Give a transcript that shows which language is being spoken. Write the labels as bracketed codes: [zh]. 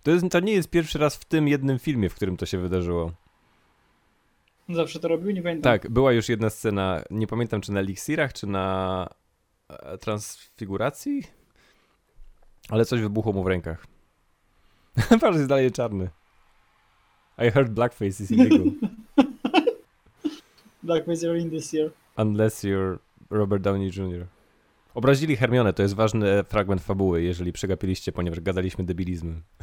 [pl] To nie jest pierwszy raz w tym jednym filmie, w którym to się wydarzyło. Zawsze to robił, nie pamiętam. Tak, była już jedna scena, nie pamiętam czy na eliksirach, czy na transfiguracji, ale coś wybuchło mu w rękach. Patrz, jest dalej czarny. [en] I heard blackface is illegal. Blackface are in this year. Unless you're Robert Downey Jr. [pl] Obrazili Hermione, to jest ważny fragment fabuły, jeżeli przegapiliście, ponieważ gadaliśmy debilizmy.